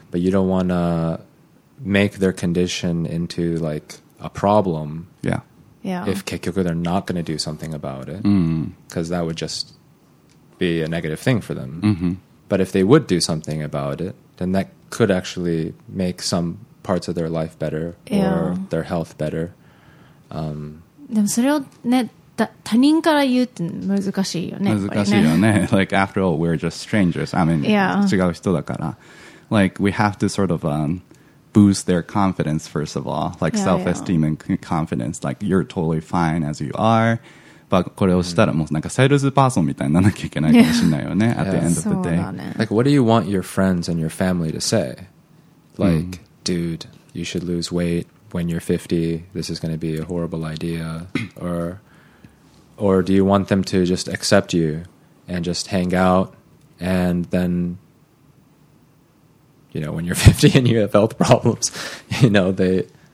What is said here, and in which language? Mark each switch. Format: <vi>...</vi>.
<en>But you don't want to make their condition into, like, a problem. Yeah. Yeah. If 結局 they're not going to do something about it. Because that would just be a negative thing for them. But if they would do something about it, then that... could actually make some parts of their life better or their health better.</en> <ja>でもそれをね、他人から言うって難しいよね。難しいよね。</ja> <en>Like after all, we're just strangers. I mean,</en> <ja>違う人だから。</ja> <en>Like we have to sort of boost their confidence first of all, like self-esteem and confidence. Like you're totally fine as you are.</en> <ja>But これをしたらもうなんかセールスパーソンみたいにならなきゃいけないかもしれないよね。</ja> <en>At the end of the day. Like, what do you want your friends and your family to say? Like, dude, you should lose weight when you're 50. This is going to be a horrible idea. Or do you want them to just accept you and just hang out and then, you know, when you're 50 and you have health problems, you know, they...</en>